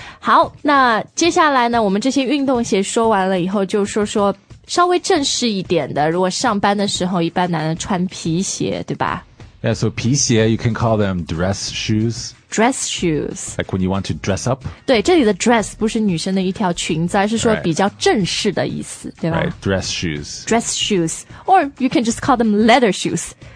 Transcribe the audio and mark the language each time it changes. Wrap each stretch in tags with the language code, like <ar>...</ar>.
<zh>好那接下来呢我们这些运动鞋说完了以后就说说稍微正式一点的如果上班的时候一般男人穿皮鞋对吧</zh> <en>Yeah, so 皮鞋 you can call them dress shoes. Dress shoes. Like when you want to dress up.</en> <zh>对这里的 dress 不是女生的一条裙子而是说比较正式的意思、</zh> <en>right.</en> <zh>对吧</zh> <en>Right, dress shoes. Dress shoes. Or you can just call them leather shoes.</en>